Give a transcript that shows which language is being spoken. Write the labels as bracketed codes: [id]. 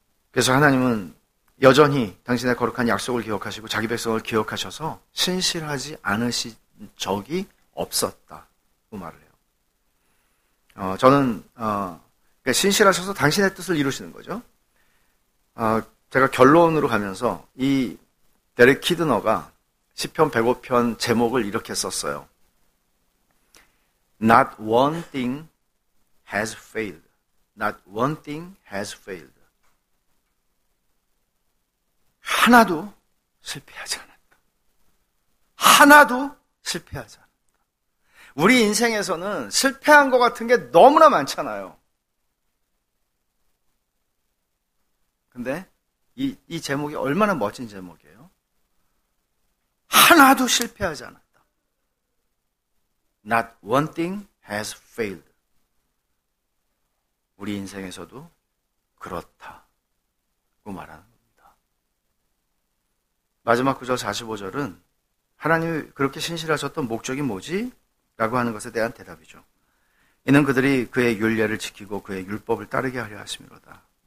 [ko] 그래서 하나님은 여전히 당신의 거룩한 약속을 기억하시고 자기 백성을 기억하셔서 신실하지 않으신 적이 없었다고 말을 해요. 저는 그러니까 신실하셔서 당신의 뜻을 이루시는 거죠. 제가 결론으로 가면서 이 데렉 키드너가 시편 105편 제목을 이렇게 썼어요. [en] Not one thing has failed. Not one thing has failed. [ko] 하나도 실패하지 않았다. 하나도 실패하지 않았다. 우리 인생에서는 실패한 것 같은 게 너무나 많잖아요. 근데 이 제목이 얼마나 멋진 제목이에요? 하나도 실패하지 않았다. [en] Not one thing has failed. [ko] 우리 인생에서도 그렇다고 말하는 마지막 구절 45절은 하나님이 그렇게 신실하셨던 목적이 뭐지? 라고 하는 것에 대한 대답이죠. 이는 그들이 그의 율례를 지키고 그의 율법을 따르게 하려 하심이로다.